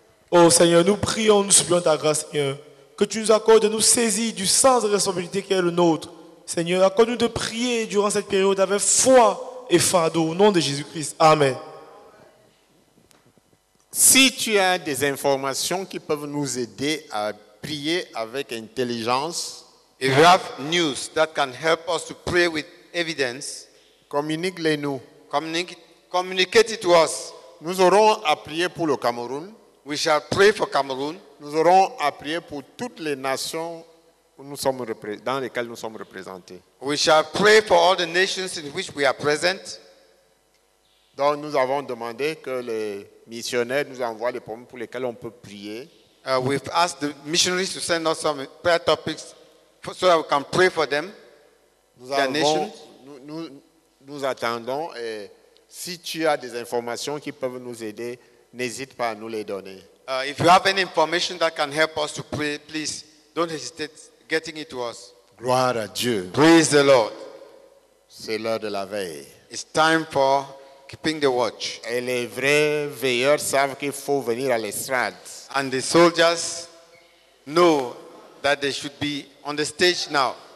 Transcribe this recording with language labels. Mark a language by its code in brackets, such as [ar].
[fr] Oh Seigneur, nous prions, nous supplions ta grâce, Seigneur, que tu nous accordes de nous saisir du sens de responsabilité qui est le nôtre. Seigneur, accorde-nous de prier durant cette période avec foi et fardeau. Au nom de Jésus-Christ, amen. Si tu as des informations qui peuvent nous aider à prier avec intelligence, [en] if you have news that can help us to pray with evidence, [fr] communique-les-nous. [en] Communicate it to us. [fr] Nous aurons à prier pour le Cameroun. [en] We shall pray for Cameroon. [fr] Nous aurons à prier pour toutes les nations où nous sommes dans lesquelles nous sommes représentés. [en] We shall pray for all the nations in which we are present. [fr] Donc nous avons demandé que les missionnaires nous envoient les problèmes pour lesquels on peut prier. [en] We've asked the missionaries to send us some prayer topics so that we can pray for them. [fr] Nous attendons et si tu as des informations qui peuvent nous aider, n'hésite pas à nous les donner. [en] If you have any information that can help us to pray, please don't hesitate getting it to us. [fr] Gloire à Dieu. [en] Praise the Lord. [fr] C'est l'heure de la veille. [en] It's time for keeping the watch. [fr] Et les vrais veilleurs savent qu'il faut venir à l'estrade. [en] And the soldiers know that they should be on the stage now.